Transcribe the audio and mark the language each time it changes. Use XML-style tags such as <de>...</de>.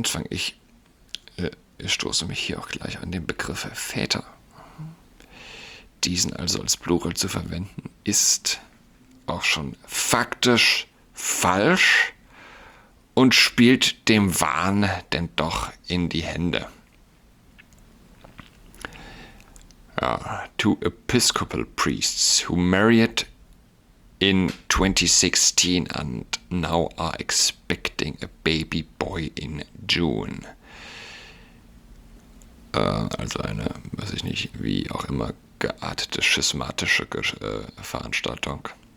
<de>Ich stoße mich hier auch gleich an den Begriff Väter. Diesen also als Plural zu verwenden, ist auch schon faktisch falsch und spielt dem Wahn denn doch in die Hände.</de> <en>Ja, to Episcopal priests who married in 2016 and now are expecting a baby boy in June.</en> <de>Also eine, weiß ich nicht, wie auch immer geartete schismatische Veranstaltung.</de>